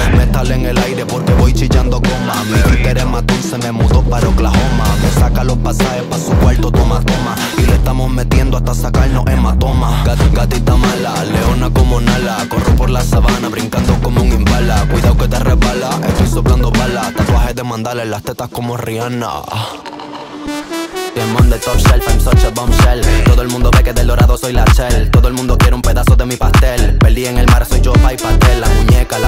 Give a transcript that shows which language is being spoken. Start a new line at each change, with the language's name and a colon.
Spanish: Métale en el aire porque voy chillando goma. Mi títer es matón, se me mudó para Oklahoma. Me saca los pasajes pa' su cuarto, toma, toma. Y le estamos metiendo hasta sacarnos hematoma. Gatita mala, leona como Nala. Corro por la sabana brincando como un impala. Cuidado que te resbala, estoy soplando bala. Tatuajes de mandala en las tetas como Rihanna.
English: I'm on the top shelf, I'm such a bombshell.
Spanish: Todo el mundo ve que del dorado soy la Shell. Todo el mundo quiere un pedazo de mi pastel. Perdí en el mar, soy yo, Pai Patel. La muñeca.